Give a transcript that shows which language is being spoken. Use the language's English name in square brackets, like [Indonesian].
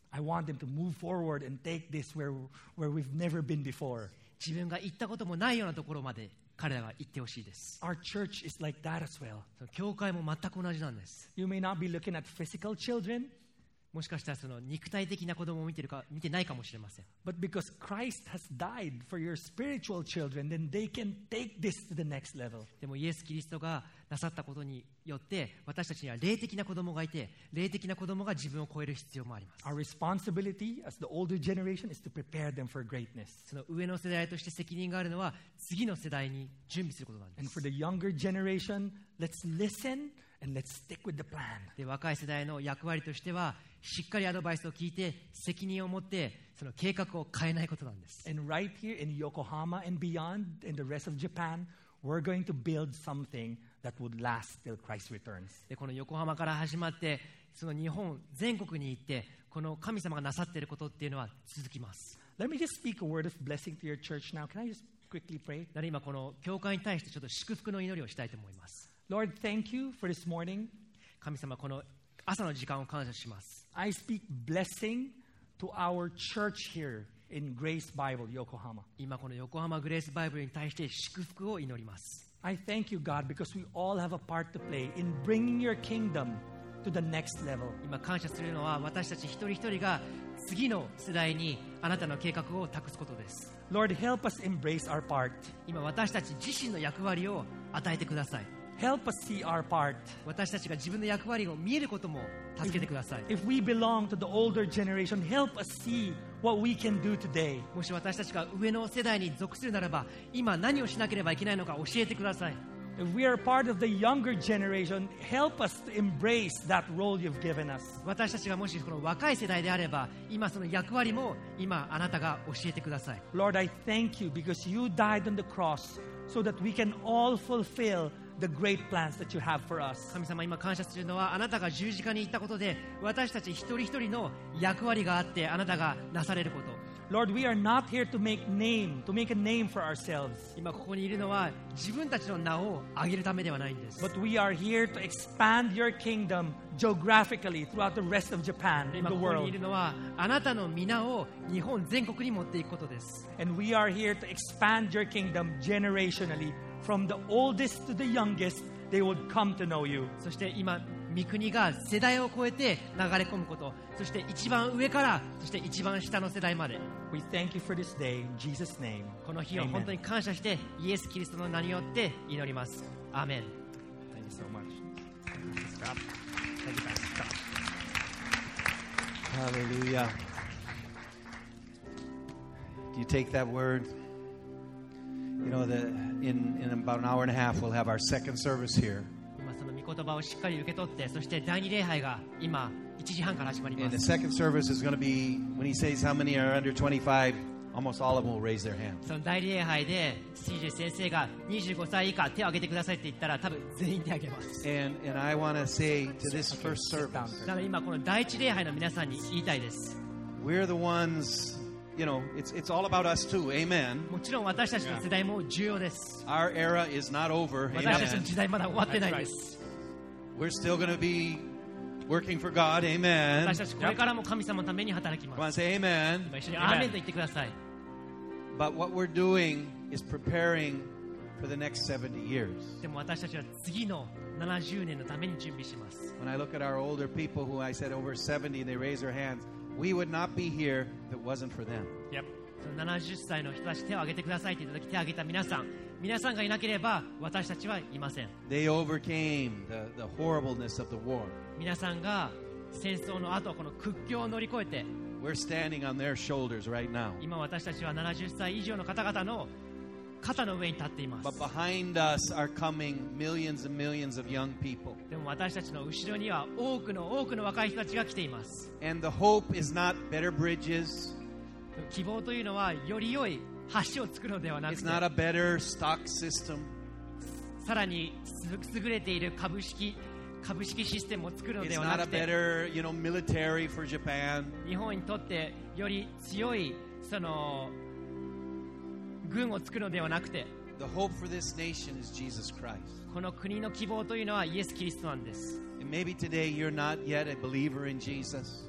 [English] I want them to move forward and take this where we've never been before. [Japanese] 自分が行ったこともないようなところまで彼らが行ってほしいです。 [English] Our church is like that as well. [Japanese] 教会も全く同じなんです。 [English] You may not be looking at physical children. [Japanese] もしかしたらその肉体的な子供を見てるか見てないかもしれません。 [English] But because Christ has died for your spiritual children, then they can take this to the next level. [Japanese] でもイエス・キリストがなさったことによって私たちには霊的な子供がいて、霊的な子供が自分を超える必要もあります。 [English] Our responsibility as the older generation is to prepare them for greatness. [Japanese] その上の世代として責任があるのは次の世代に準備することなんです。 [English] And for the younger generation, let's listen and let's stick with the plan. [Japanese] で、若い世代の役割としてはしっかりアドバイスを聞いて責任を持ってその計画を変えないことなんです。 [English] And right here in Yokohama and beyond and the rest of Japan, we're going to build somethingThat would last till Christ returns. [Japanese] で、この横浜から始まって、その日本全国に行って、この神様がなさっていることっていうのは続きます。 [English] Let me just speak a word of blessing to your church now. Can I just quickly pray? [Japanese] なので今この教会に対してちょっと祝福の祈りをしたいと思います。 [English] Lord, thank you for this morning. [Japanese] 神様、この朝の時間を感謝します。 [English] I speak blessing to our church here in Grace Bible, Yokohama. [Japanese] 今この横浜グレースバイブルに対して祝福を祈ります。 [English] I thank you, God, because we all have a part to play in bringing your kingdom to the next level. [Japanese] 今感謝するのは私たち一人一人が次の世代にあなたの計画を託すことです。 [English] Lord, help us embrace our part. [Japanese] 今私たち自身の役割を与えてください。 [English] Help us see our part. [Japanese] 私たちが自分の役割を見えることも助けてください。 [English] If we belong to the older generation, help us see what we can do today. [Japanese] もし私たちが上の世代に属するならば、今何をしなければいけないのか教えてください。 [English] If we are part of the younger generation, help us to embrace that role you've given us. [Japanese] 私たちがもしこの若い世代であれば、今その役割も今あなたが教えてください。 [English] Lord, I thank you because you died on the cross so that we can all fulfill the great plans that you have for us. [Japanese] 神様、今感謝するのはあなたが十字架に行ったことで、私たち一人一人の役割があってあなたがなされること。 [English] Lord, we are not here to make name, to make a name for ourselves. [Japanese] 今ここにいるのは自分たちの名を挙げるためではないんです。 [English] But we are here to expand your kingdom geographically throughout the rest of Japan and the world. [Japanese] 今ここにいるのはあなたの名を日本全国に持っていくことです。 [English] And we are here to expand your kingdom generationally. From the oldest to the youngest, they would come to know you. [Japanese] そして今御国が世代を超えて流れ込むこと、そして一番上から、そして一番下の世代まで。 [English] We thank you for this day, in Jesus' name. [Japanese] この日を本当に感謝して、イエス・キリストの名によって祈ります。アーメン。 [English] Thank you so much. Thank you, Pastor Scott. Hallelujah. Do you take that word? You know, that in about an hour and a half, we'll have our second service here. [Japanese] 言葉をしっかり受け取って、そして第二礼拝が今1時半から始まります。 [English] And the second service is going to be when he says how many are under 25, almost all of them will raise their hand. [Japanese] その第二礼拝で CJ 先生が25歳以下手を挙げてくださいって言ったら、多分全員手を挙げます。 [English] And I want to say to this first service. [Japanese] だから今この第一礼拝の皆さんに言いたいです。 [English] We're the ones, you know, it's all about us too. Amen. [Japanese] もちろん私たちの世代も重要です。 [English] Our era is not over. Amen. [Japanese] 私たちの時代まだ終わってないです。 [English] We're still going to be working for God. Amen. [Japanese] 私たちこれからも神様のために働きます。 [English] Come on, say amen. [Japanese] 一緒にアーメンと言ってください。 [English] But what we're doing is preparing for the next 70 years. [Japanese] でも私たちは次の70年のために準備します。 [English] When I look at our older people who I said over 70, they raise their hands, we would not be here if it wasn't for them. Yep. [Japanese] その70歳の人たち手を挙げてくださいって言った時手を挙げた皆さん。皆さんがいなければ私たちはいません。 [English] They overcame the horribleness of the war. [Japanese] 皆さんが戦争の後この屈強を乗り越えて、 [English] We're standing on their shoulders right now. [Japanese] 今私たちは70歳以上の方々の肩の上に立っています。 [English] But behind us are coming millions and millions of young people. [Japanese] でも私たちの後ろには多くの多くの若い人たちが来ています。 [English] And the hope is not better bridges. [Japanese] 希望というのはより良い橋を作るのではなくて、 [English] It's not a better stock system. [Japanese] さらに優れている株式システムを作るのではなくて、 [English] It's not a better, you know, military for Japan. [Japanese] 日本にとってより強いその軍を作るのではなくて、 [English] The hope for this nation is Jesus Christ. [Japanese] この国の希望というのはイエス・キリストなんです。 [English] And maybe today you're not yet a believer in Jesus.